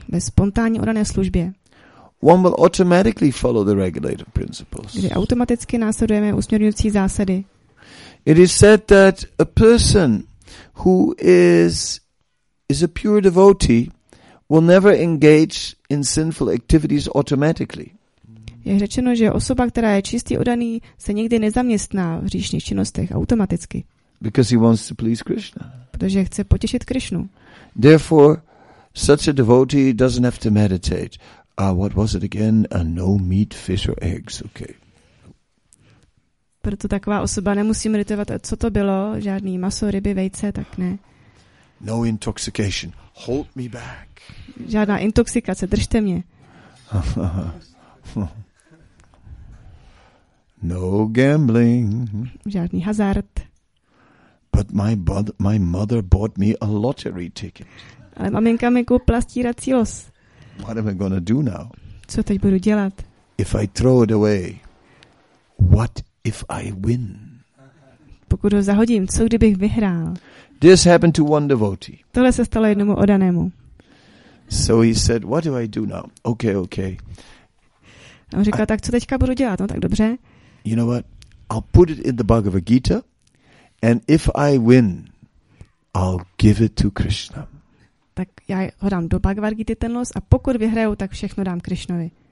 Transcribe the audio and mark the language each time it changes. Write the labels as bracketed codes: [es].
[cs] Ve spontánní orané službě. [en] One will automatically follow the regulative principles. [cs] Kdy automaticky následujeme usměrňující zásady. [en] It is said that a person who is a pure devotee will never engage in sinful activities automatically. [cs] Je řečeno, že osoba, která je čistý oddaný, se nikdy nezaměstná v hříšných činnostech automaticky. [en] Because he wants to please Krishna. [cs] Protože chce potěšit Krišnu. [en] Therefore, such a devotee doesn't have to meditate. What was it again? No meat, fish or eggs, okay. [cs] Proto taková osoba nemusí meditovat. Co to bylo? Žádný maso, ryby, vejce, tak ne. [en] No intoxication. Hold me back. [cs] Žádná intoxikace, držte mě. [en] No gambling. [cs] Žádný hazard. [en] But my mother bought me a lottery ticket. [cs] Ale maminka mi koupila stírací los. [en] What am I going to do now? [cs] Co teď budu dělat? [en] If I throw it away, what if I win? [cs] Pokud ho zahodím, co kdybych vyhrál? [en] This happened to one devotee. [cs] Tohle se stalo jednomu oddanému. [en] So he said, what do I do now? Okay. [cs] A on říkal, tak co teďka budu dělat? No tak dobře. [en] You know what? I'll put it in the Bhagavad Gita and if I win, I'll give it to Krishna. [cs] Tak já ho dám do Bhagavad Gita ten los a pokud vyhraju, tak všechno dám Krišnovi.